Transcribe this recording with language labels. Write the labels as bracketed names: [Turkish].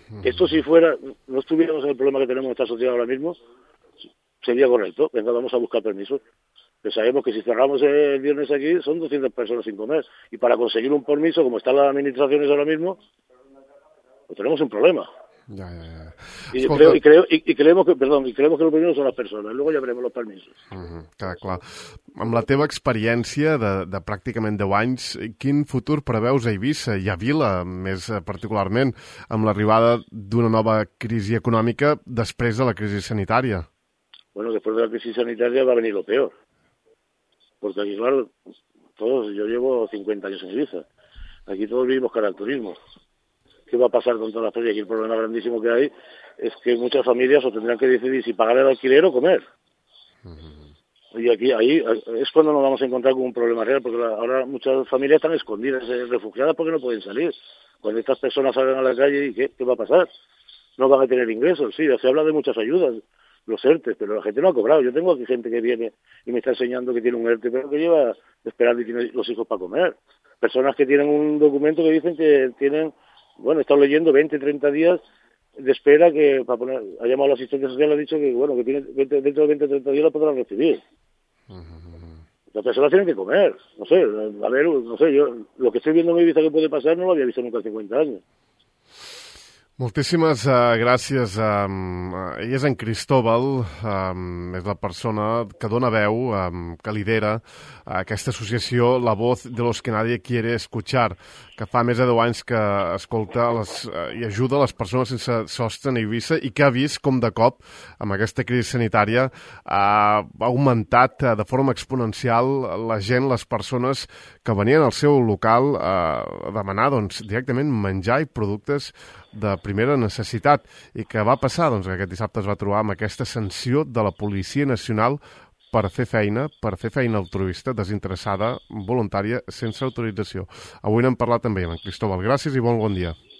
[Spanish] Esto si fuera, no estuviéramos en el problema que tenemos en esta sociedad ahora mismo, sería correcto, venga, vamos a buscar permisos. Pero sabemos que si cerramos el viernes aquí, son 200 personas sin comer. Y para conseguir un permiso, como están las administraciones ahora mismo, pues tenemos un problema. [Catalan] Ja. [Spanish] Creemos que [Catalan] el primer són les persones, després ja veurem els permisos. Queda clar. Amb la teva experiència de pràcticament 10 anys, quin futur preveus a Eivissa i a Vila, més particularment, amb l'arribada d'una nova crisi econòmica després de la crisi sanitària? Bueno, després de la crisi sanitària va venir [Spanish] lo peor. Porque aquí, claro, yo llevo 50 años en Eivissa. aquí todos vivimos cara al turismo. ¿Qué va a pasar con toda la feria? Aquí el problema grandísimo que hay es que muchas familias o tendrán que decidir si pagar el alquiler o comer. Y aquí ahí es cuando nos vamos a encontrar con un problema real, porque ahora muchas familias están escondidas, refugiadas, porque no pueden salir. Cuando estas personas salgan a la calle, ¿y qué va a pasar? No van a tener ingresos. Sí, se habla de muchas ayudas, los ERTE, pero la gente no ha cobrado. Yo tengo aquí gente que viene y me está enseñando que tiene un ERTE, pero que lleva esperando y tiene los hijos para comer. Personas que tienen un documento que dicen que tienen, bueno, he estado leyendo 20, 30 días de espera, que para poner, ha llamado a la asistencia social, ha dicho que, bueno, que tiene 20, dentro de 20, 30 días la podrán recibir. Las personas tienen que comer. No sé, a ver, no sé, yo lo que estoy viendo en mi vida que puede pasar no lo había visto nunca hace 50 años. [Catalan] Moltíssimes gràcies. Ell és en Cristóbal, és la persona que dona veu, que lidera aquesta associació La Voz de los que Nadie Quiere Escuchar, que fa més de 10 anys que escolta les, i ajuda les persones sense sostre ni visa, i que ha vist com de cop, amb aquesta crisi sanitària, ha augmentat de forma exponencial la gent, les persones que venien al seu local a demanar doncs, directament menjar i productes de primera necessitat, i que va passar, doncs, que aquest dissabte es va trobar amb aquesta sanció de la Policia Nacional per fer feina altruista, desinteressada, voluntària, sense autorització. Avui n'hem parlat també amb en Cristóbal. Gràcies i bon dia.